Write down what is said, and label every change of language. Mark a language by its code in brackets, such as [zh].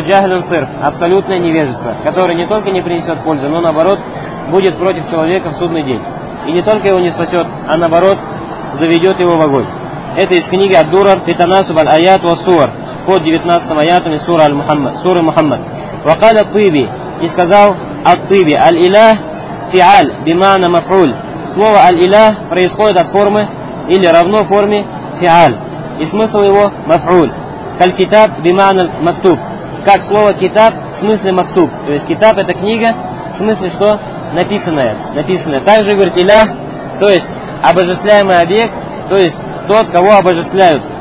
[ru] «Джахлюн сирф» – абсолютное невежество, которое не только не принесет пользы, но наоборот будет против человека в судный день. И не только его не спасет, а наоборот заведет его в огонь. Это из книги «Ад-Дурар» «Фитанасуб аль-Аят ва-Сур» под 19 аятами суры аль-Мухаммад, суры Мухаммад. [ar] وقال الطيبي — [ru] и сказал [ar] الطيبي, الإله فعال بمعنى مفعول. Слово الإله [ru] происходит от формы или равно форме фиал. И смысл его мафуль. Как китаб бимана мактуб. Как слово китаб в смысле мактуб. То есть китаб это книга в смысле что? Написанная. Написанная. Также говорит илях, то есть обожествляемый объект, то есть тот, кого обожествляют.